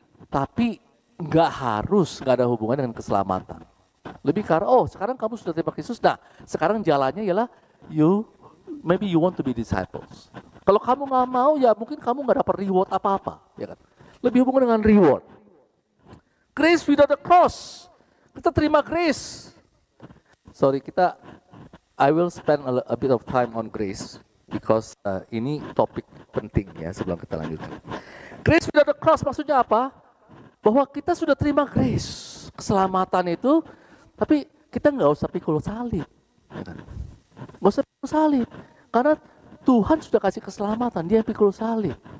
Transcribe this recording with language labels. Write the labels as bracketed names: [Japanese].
[Indonesian] Tapi enggak harus, enggak ada hubungan dengan keselamatan. Lebih karena, oh sekarang kamu sudah terima Kristus, nah sekarang jalannya ialah [English] maybe you want to be disciples. [Indonesian] Kalau kamu enggak mau, ya mungkin kamu enggak dapat reward apa-apa. Ya kan? Lebih hubungan dengan reward. [English] Grace without the cross. [Indonesian] Kita terima [English] grace. Sorry, I will spend a bit of time on grace. Because [Indonesian] ini topik penting ya sebelum kita lanjutkan. [English] Grace without the cross [Indonesian] maksudnya apa? Bahwa kita sudah terima grace, keselamatan itu, tapi kita enggak usah pikul salib. Enggak usah pikul salib. Karena Tuhan sudah kasih keselamatan, dia pikul salib.